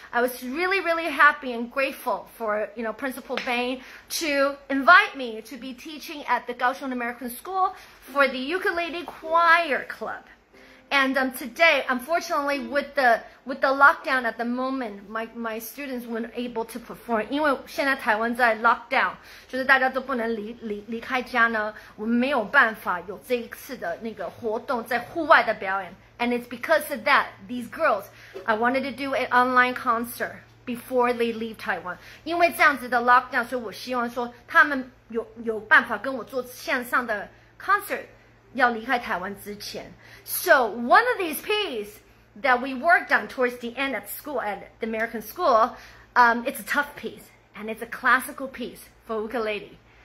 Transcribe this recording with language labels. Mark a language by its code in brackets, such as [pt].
[en] I was really, really happy and grateful for, you know, Principal Payne to invite me to be teaching at the Kaohsiung American School for the ukulele choir club. And today, unfortunately, with the lockdown at the moment, my students weren't able to perform. [zh] 因为现在台湾在 lockdown, 就是大家都不能离开家呢, 我们没有办法有这一次的那个活动在户外的表演. [en] And it's because of that, these girls, I wanted to do an online concert before they leave Taiwan. [zh] 因为这样子的 lockdown, 所以我希望说他们有办法跟我做线上的 concert 要离开台湾之前. [en] So one of these pieces that we worked on towards the end at school, at the American school, it's a tough piece, and it's a classical piece for ukulele.